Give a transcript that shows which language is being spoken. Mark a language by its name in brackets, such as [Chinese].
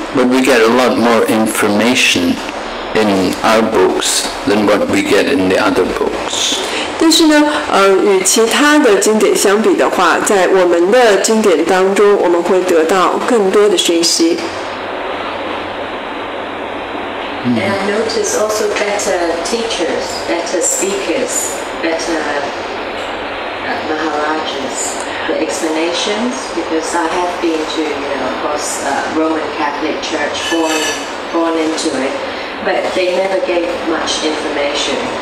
[English] But we get a lot more information in our books than what we get in the other books. [Chinese] 但是呢，与其他的经典相比的话，在我们的经典当中，我们会得到更多的讯息。 [English] And I notice also better teachers, better speakers, better maharajas, the explanations, because I have been to, of course, Roman Catholic Church, born into it, but they never gave much information.